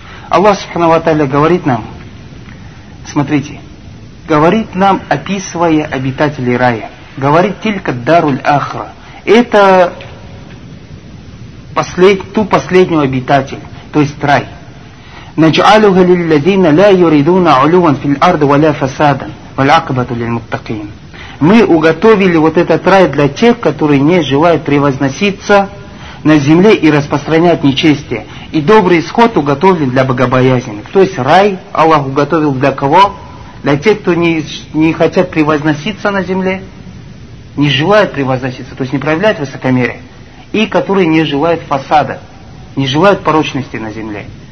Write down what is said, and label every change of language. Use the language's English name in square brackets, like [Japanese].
[Russian] Аллах Субхана ва Тааля говорит нам, смотрите, говорит нам, описывая обитателей рая, говорит только Даруль Ахра. Это ту последнюю обитатель, то есть рай. [Arabic] نجعلها للذين لا يريدون علوا في الأرض ولا فسادا والعقبة للمتقين. [Russian] Мы уготовили вот этот рай для тех, которые не желают превозноситься на земле и распространять нечестие. И добрый исход уготовлен для богобоязненных. То есть рай Аллах уготовил для кого? Для тех, кто не хотят превозноситься на земле, не желают превозноситься, то есть не проявляют высокомерие, и которые не желают фасада, не желают порочности на земле.